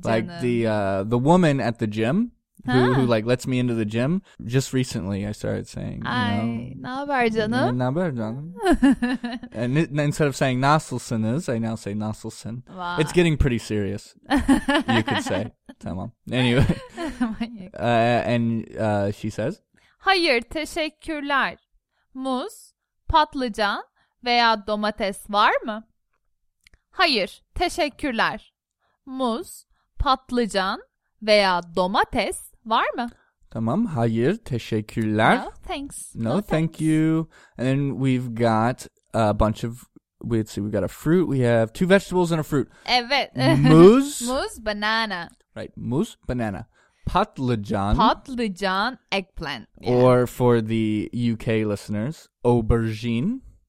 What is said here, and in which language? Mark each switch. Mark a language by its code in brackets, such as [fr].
[en] like the woman at the gym who like lets me into the gym. Just recently, I started saying, [tr] "Ne haber canım?" [en] And instead of saying [tr] "nasılsınız," [en] I now say [tr] "nasılsın." [en] Wow. It's getting pretty serious. You could say, [tr] "Tamam." [en] Anyway, she says, [tr] "Hayır, teşekkürler. Muz, patlıcan." Veya domates var mı? Hayır, teşekkürler. Muz, patlıcan veya domates var mı? Tamam, hayır, teşekkürler. [en] No, thanks. No, thank you. And then we've got a bunch of, let's see, we've got a fruit. We have two vegetables and a fruit. [tr] Evet. Muz. [en] Muz, banana. Right, muz, banana. Patlıcan. Patlıcan, eggplant. Yeah. Or for the UK listeners, aubergine.